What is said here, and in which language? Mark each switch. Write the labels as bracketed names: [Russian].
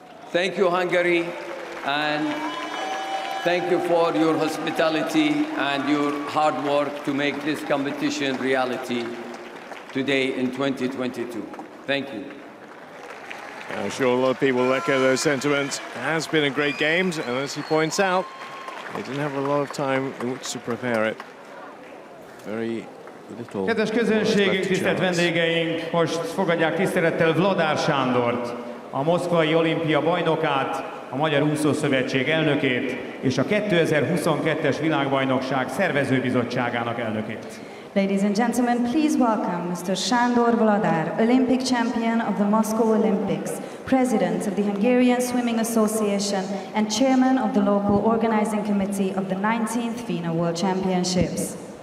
[English] Thank you, Hungary, and thank you for your hospitality and your hard work to make this competition reality today in 2022. Thank you. I'm sure a lot of people echo those sentiments. It has been a great game, and as he points out, they didn't have a lot of time in which to prepare it. Very little. [Hungarian] Kedves közönségünk, tisztelt vendégeink, most fogadják tisztelettel Vladár Sándort, a moszkvai olimpia bajnokát, a Magyar Úszószövetség elnökét és a 2022-es világbajnokság szervezőbizottságának elnökét. [English] Ladies and gentlemen, please welcome Mr. Sándor Vladár, Olympic champion of the Moscow Olympics, president of the Hungarian Swimming Association and chairman of the local organizing committee of the 19th FINA World Championships.